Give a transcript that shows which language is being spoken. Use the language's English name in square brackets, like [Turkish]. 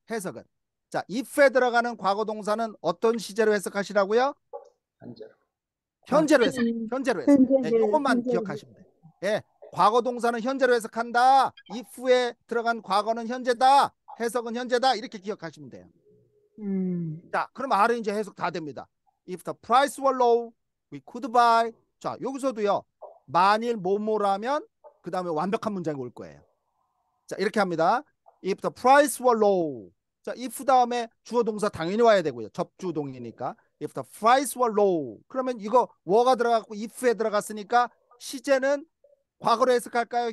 [Korean] 해석은 자, if에 들어가는 과거 동사는 어떤 시제로 해석하시라고요? 현재로 해석. 현재로 해석. 네, 이것만 기억하시면 돼요. 예, 네, 과거 동사는 현재로 해석한다. if에 들어간 과거는 현재다. 해석은 현재다. 이렇게 기억하시면 돼요. 자, 그럼 아래 이제 해석 다 됩니다. [English] If the price were low, we could buy. [Korean] 자, 여기서도요. 만일 뭐뭐라면 그다음에 완벽한 문장이 올 거예요. 자, 이렇게 합니다. [English] If the price were low. [Korean] 자, if 다음에 주어 동사 당연히 와야 되고요. [English] 접주동이니까. If the price were low. [Korean] 그러면 이거 were가 들어갔고 if에 들어갔으니까 시제는 과거로 해석할까요?